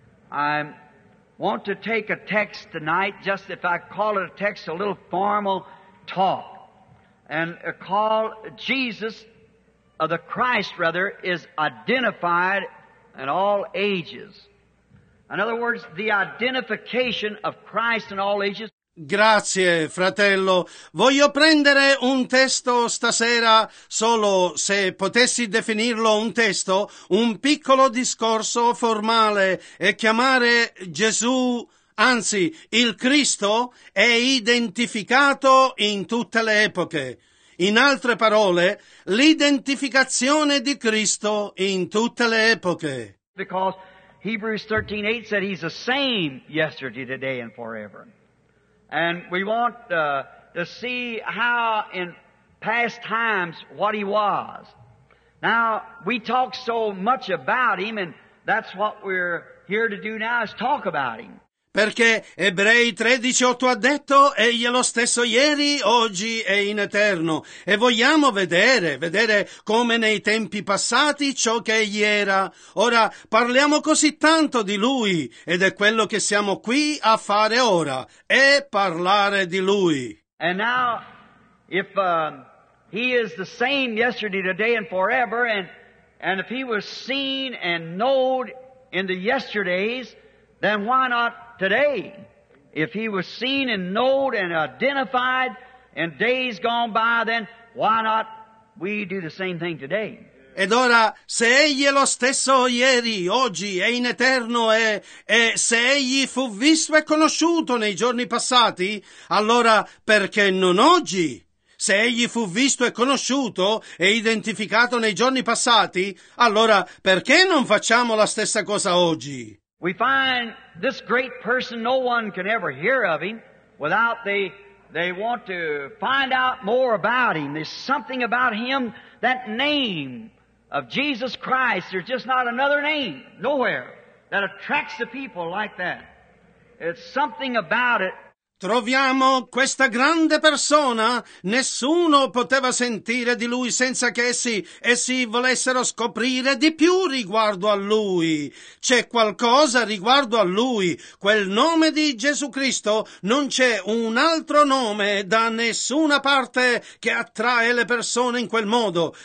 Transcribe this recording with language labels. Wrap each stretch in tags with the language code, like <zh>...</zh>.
<en>I want to take a text tonight, just if I call it a text, a little formal talk, and call Jesus, the Christ, rather, is identified in all ages. In other words, the identification of Christ in all ages.</en> <it>Grazie, fratello. Voglio prendere un testo stasera, solo se potessi definirlo un testo, un piccolo discorso formale e chiamare Gesù, anzi, il Cristo, è identificato in tutte le epoche. In altre parole, l'identificazione di Cristo in tutte le epoche.</it> <en>Because Hebrews 13:8 said he's the same yesterday, today, and forever. And we want to see how in past times what he was. Now, we talk so much about him, and that's what we're here to do now is talk about him.</en> <it>Perché Ebrei 13:8 ha detto, egli è lo stesso ieri, oggi e in eterno. E vogliamo vedere come nei tempi passati ciò che egli era. Ora, parliamo così tanto di lui, ed è quello che siamo qui a fare ora, è parlare di lui.</it> <en>And now, if he is the same yesterday, today and forever, and if he was seen and known in the yesterdays, then why not today, if he was seen and known and identified in days gone by, then why not we do the same thing today?</en> <it>Ed ora, se egli è lo stesso ieri, oggi e in eterno, e se egli fu visto e conosciuto nei giorni passati, allora perché non oggi? Se egli fu visto e conosciuto e identificato nei giorni passati, allora perché non facciamo la stessa cosa oggi?</it> <en>We find this great person, no one can ever hear of him without they want to find out more about him. There's something about him, that name of Jesus Christ, there's just not another name nowhere that attracts the people like that. It's something about it.</en> <it>Troviamo questa grande persona, nessuno poteva sentire di lui senza che essi volessero scoprire di più riguardo a lui. C'è qualcosa riguardo a lui, quel nome di Gesù Cristo, non c'è un altro nome da nessuna parte che attrae le persone in quel modo.</it>